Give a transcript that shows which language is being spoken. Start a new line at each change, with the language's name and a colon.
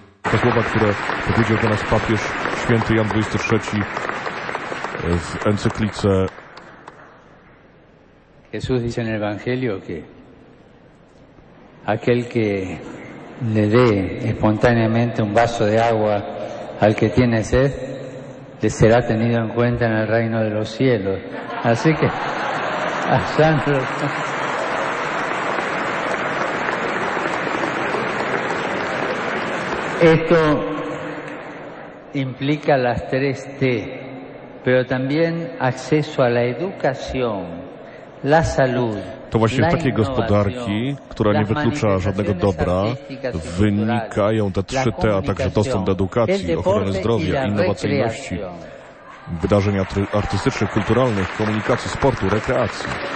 Polish: To słowa, które powiedział do nas papież święty Jan XXIII w encyklice.
Spanish: Jesús dice en el Evangelio que aquel que le dé espontáneamente un vaso de agua al que tiene sed, le será tenido en cuenta en el reino de los cielos. Así que, a Sandro. Esto implica las tres T, pero también acceso a la educación, la salud.
Polish: To właśnie takiej gospodarki, która nie wyklucza żadnego dobra, wynikają te trzy T, a także dostęp do edukacji, ochrony zdrowia, innowacyjności, wydarzeń artystycznych, kulturalnych, komunikacji, sportu, rekreacji.